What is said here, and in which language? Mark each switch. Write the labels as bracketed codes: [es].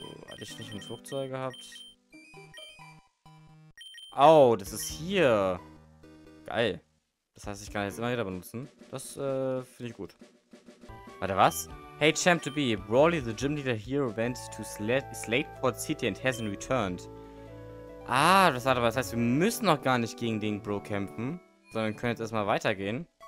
[de] Hatte ich nicht ein Fluchtseil gehabt? Oh, das ist hier. Geil. Das heißt, ich kann jetzt immer wieder benutzen. Das finde ich gut. Warte, was? [en] Hey Champ to be, Brawly the Gym Leader Hero went to Slateport City and hasn't returned. [de] Ah, das hat aber, das heißt, wir müssen noch gar nicht gegen den Bro kämpfen, sondern können jetzt erstmal weitergehen.